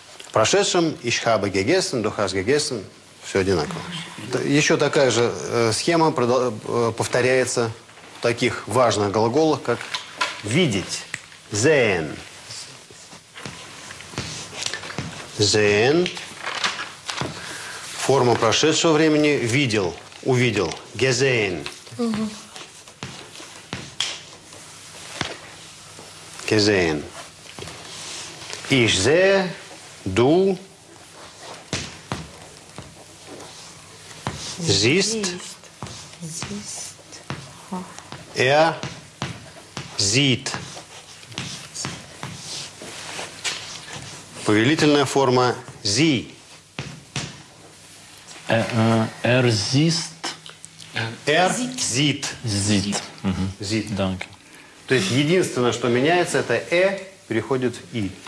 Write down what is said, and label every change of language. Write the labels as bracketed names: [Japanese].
[Russian] В прошедшем [German] ich habe gegessen. Du hast gegessen. [Russian] Все одинаково. Еще такая же схема повторяется в таких важных глаголах, как видеть. [German] Sehen. Sehen. [Russian] Форма прошедшего времени – видел, увидел. [German] Gesehen. Угу. Gesehen. Ich sehe, du, siehst, sieht. [Russian] Повелительная форма – sie. [German] Sieht. Danke. [Russian] То есть единственное, что меняется, это «э» переходит в «и».